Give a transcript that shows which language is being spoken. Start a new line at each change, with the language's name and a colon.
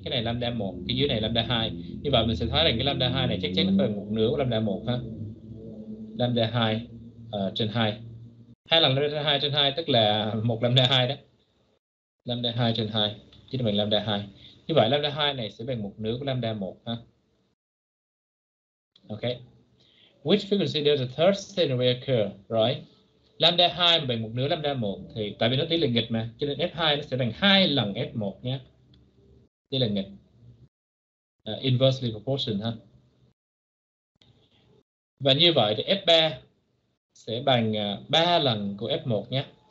Vietnamese: Cái này lambda 1, cái dưới này lambda 2. Như vậy mình sẽ thấy rằng cái lambda 2 này chắc chắn nó phải một nửa của lambda 1 ha. Lambda 2 trên 2. Hai lần lambda 2 trên 2, tức là một lambda 2 đó. Lambda 2 trên 2, chứ là bằng lambda 2. Như vậy lambda 2 này sẽ bằng một nửa của lambda 1 ha. Ok.
English: Which frequency does the third stationary wave occur, right?
Vietnamese: Lambda 2 bằng một nửa lambda 1 thì tại vì nó tỷ lệ nghịch mà, cho nên F2 nó sẽ bằng 2 lần F1 nhé. Tỷ lệ nghịch.
English: Inversely proportion ha.
Vietnamese: Và như vậy thì F3 sẽ bằng 3 lần của F1 nhé.